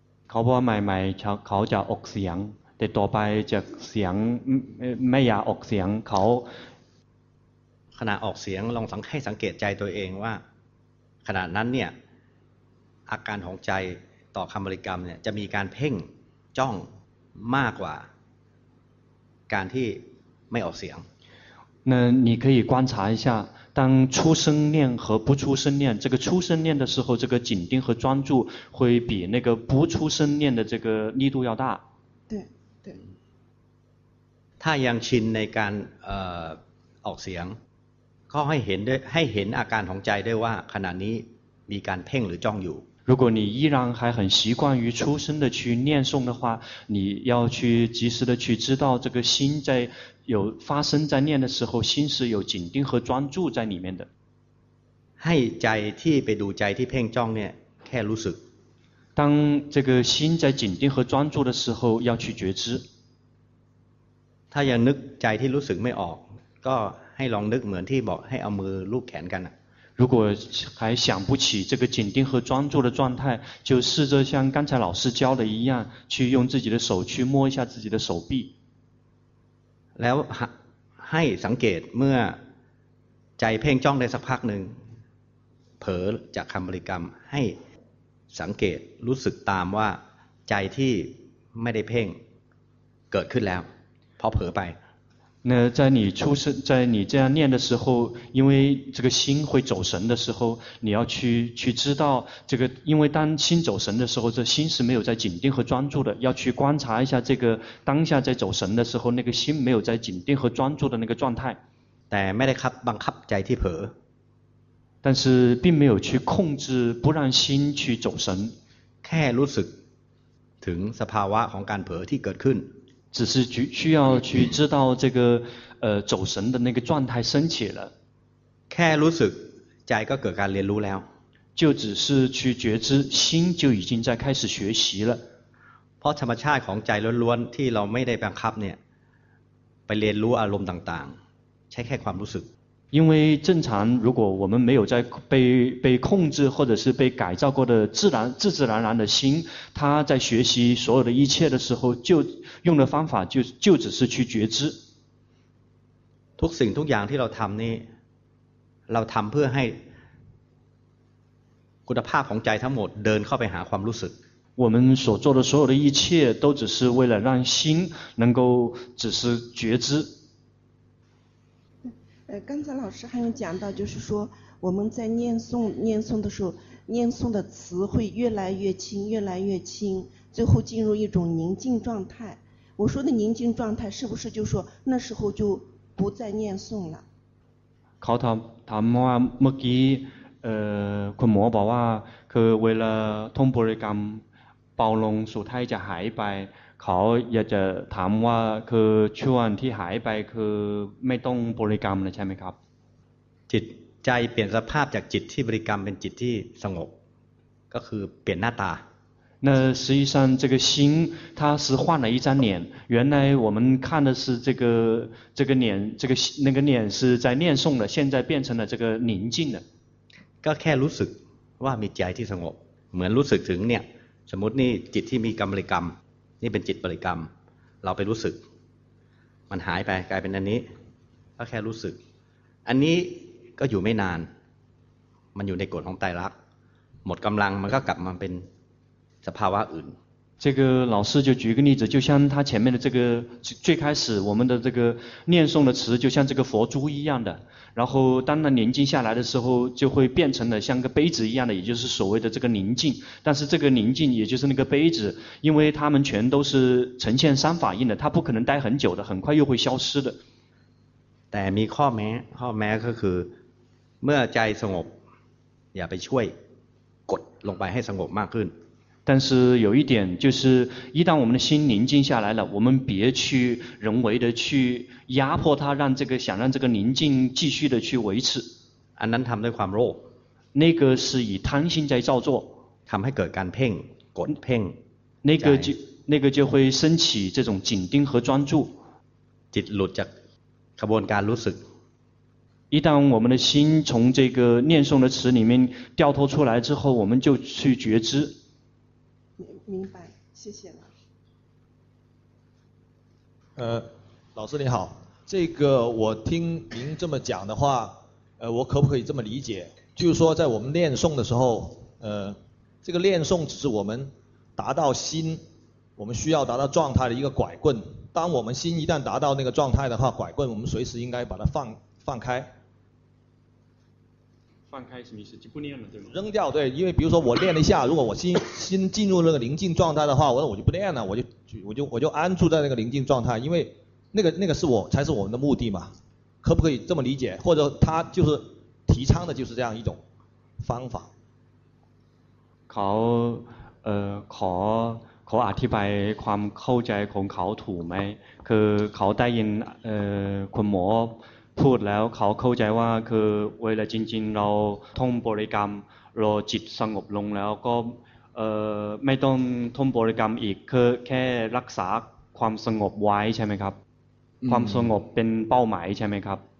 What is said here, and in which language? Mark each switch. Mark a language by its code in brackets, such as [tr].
[th] เขาบอกว่าใหม่ๆเขาจะออกเสียงแต่ต่อไปจะเสียงไม่อยากออกเสียงเขา ขณะออกเสียงลองให้สังเกตใจตัวเองว่าขณะนั้นเนี่ยอาการของใจต่อคำบริกรรมเนี่ยจะมีการเพ่งจ้องมากกว่าการที่ไม่ออกเสียง [zh] 那你可以观察一下当出声念和不出声念这个出声念的时候这个紧盯和专注会比那个不出声念的这个力度要大对对 [th] ถ้ายังชินในการออกเสียงก็ให้เห็นด้วยให้เห็นอาการของใจด้วยว่าขณะนี้มีการเพ่งหรือจ้องอยู่ [zh] 如果你依然还很习惯于出声的去念诵的话你要去及时的去知道这个心在有发生在念的时候心是有紧盯和专注在里面的 [th] ให้ใจที่ไปดูใจที่เพ่งจ้องเนี่ยแค่รู้สึก [zh] 当这个心在紧盯和专注的时候要去觉知 [th] ถ้ายังนึกใจที่รู้สึกไม่ออกก็ให้ลองนึกเหมือนที่บอกให้เอามือลูบแขนกันนะ [zh] 如果还想不起这个紧盯和专注的状态就试着像刚才老师教的一样去用自己的手去摸一下自己的手臂 [th] แล้วให้สังเกตเมื่อใจเพ่งจ้องได้สักพักหนึ่งเผลอจากคำบริกรรมให้สังเกตรู้สึกตามว่าใจที่ไม่ได้เพ่งเกิดขึ้นแล้วพอเผลอไป [zh] 那在你出声在你这样念的时候因为这个心会走神的时候你要去知道这个因为当心走神的时候这心是没有在紧盯和专注的要去观察一下这个当下在走神的时候那个心没有在紧盯和专注的那个状态 [th] แต่ไม่ได้ครับบังคับใจที่เผล [zh] อ但是并没有去控制不让心去走神 [th] แค่รู้สึกถ ถึงสภาวะของการเผลอที่เกิดขึ้น [zh] 只是需要去知道这个走神的那个状态升起了 [th] แค่รู้สึกใจก็เกิดการเรียนรู้แล้ว [zh] 就只是去觉知心就已经在开始学习了 [th] เพราะธรรมชาติของใจล้วนๆที่เราไม่ได้บังคับเนี่ยไปเรียนรู้อารมณ์ต่างๆใช้แค่ความรู้สึก [zh] 因为正常如果我们没有在被控制或者是被改造过的自然的心他在学习所有的一切的时候就用的方法就只是去觉知 [th] ทุกสิ่งทุกอย่างที่เราทำนี่เราทำเพื่อให้คุณภาพของใจทั้งหมดเดินเข้าไปหาความรู้สึก [zh] 我们所做的所有的一切都只是为了让心能够只是觉知刚才老师还有讲到，就是说我们在念诵的时候，念诵的词会越来越轻，越来越轻，最后进入一种宁静状态。我说的宁静状态，是不是就说那时候就不再念诵了？ [th] เขาถามว่าเมื่อกี้คุณหมอบอกว่าคือเวลาท่องบริกรรมเบาลงสุดท้ายจะหายไปเขาอยากจะถามว่าคือช่วงที่หายไปคือไม่ต้องบริกรรมเลยใช่ไหมครับ จิตใจเปลี่ยนสภาพจากจิตที่บริกรรมเป็นจิตที่สงบก็คือเปลี่ยนหน้าตา [zh] 那实际上这个心它是换了一张脸原来我们看的是这个脸这个那个脸是在念诵的现在变成了这个宁静的 [th] ก็แค่รู้สึกว่ามีใจที่สงบเหมือนรู้สึกถึงเนี่ยสมมตินี่จิตที่มีกรรมบริกรรมนี่เป็นจิตบริกรรมเราไปรู้สึกมันหายไปกลายเป็นอันนี้ก็แค่รู้สึกอันนี้ก็อยู่ไม่นานมันอยู่ในกฎของไตรลักษณ์หมดกำลังมันก็กลับมาเป็นสภาวะอื่น [zh] 这个老师就举个例子就像他前面的这个最开始我们的这个念诵的词就像这个佛珠一样的然后当它宁静下来的时候就会变成了像个杯子一样的也就是所谓的这个宁静但是这个宁静也就是那个杯子因为它们全都是呈现三法印的它不可能待很久的很快又会消失的 [th] แต่มีข้อแม้ข้อแม้ก็คือเมื่อใจสงบอย่าไปช่วยกดลงไปให้สงบมากขึ้น [zh] 但是有一点就是一旦我们的心宁静下来了我们别去人为的去压迫它让这个想让这个宁静继续的去维持那他们的 [th] ความโลภ [zh] 那个是以贪心在造作 [th] ทำให้เกิดการเพ่งกดเพ่ง [zh] 那个就会升起这种紧盯和专注 [th] จิตหลุดจากกระบวนการรู้สึก [zh] 一旦我们的心从这个念诵的词里面掉脱出来之后我们就去觉知明白，谢谢了。老师你好，这个我听您这么讲的话，我可不可以这么理解？就是说，在我们念诵的时候，这个念诵只是我们达到心，我们需要达到状态的一个拐棍。当我们心一旦达到那个状态的话，拐棍我们随时应该把它放开。放开什么意思？就不念了，对吗？扔掉，对，因为比如说我念了一下，如果我心进入那个宁静状态的话，我就不念了，我就安住在那个宁静状态，因为那个是我才是我们的目的嘛，可不可以这么理解？或者他就是提倡的就是这样一种方法。 [th] เขาอธิบายความเข้าใจของเขาถูกไหม？ คือเขาได้ยินคุณหมอพูดแล้วเขาเข้าใจว่าคือเวลาจริงๆเราท่องบริกรรมรอจิตสงบลงแล้วก็ไม่ต้องท่องบริกรรมอีกคือแค่รักษาความสงบไว้ใช่ไหมครับความสงบเป็นเป้าหมายใช่ไหมครับ